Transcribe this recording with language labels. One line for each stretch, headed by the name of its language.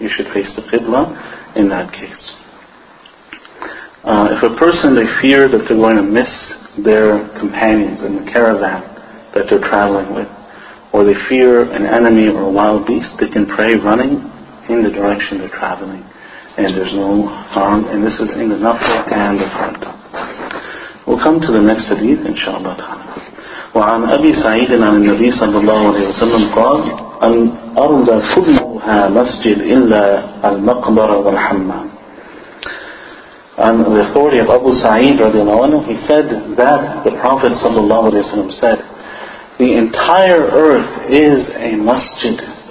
English: You should face the qibla in that case. If a person, they fear that they're going to miss their companions in the caravan that they're traveling with, or they fear an enemy or a wild beast, they can pray running in the direction they're traveling. And there's no harm. And this is in the nafla and the farta. We'll come to the next hadith, inshaAllah ta'ala.
Arabic: وعن أبي سعيد عن النبي صلى الله عليه وسلم قال الأرض كلها مسجد إلا المقبرة والحمام.
English: And the authority of Abu Sa'id radiallahu anhu, he said that the Prophet sallallahu alaihi wasallam said, the entire earth is a masjid.